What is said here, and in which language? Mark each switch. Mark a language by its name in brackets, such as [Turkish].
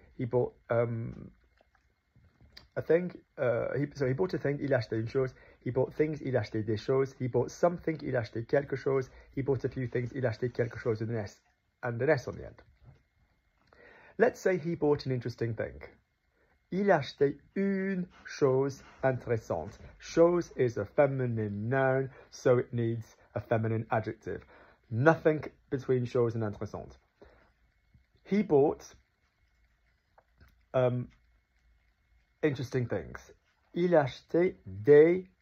[English] He bought a thing, he bought a thing, [French] il a acheté une chose. [English] He bought things, [French] il a acheté des choses. [English] He bought something, [French] il a acheté quelque chose. [English] He bought a few things, [French] il a acheté quelque chose, [English] with an S, and an S on the end. Let's say he bought an interesting thing. [French] Il a acheté une chose intéressante. [English] Chose is a feminine noun, so it needs a feminine adjective. Nothing between chose and intéressante. He bought interesting things. [French] Il a acheté des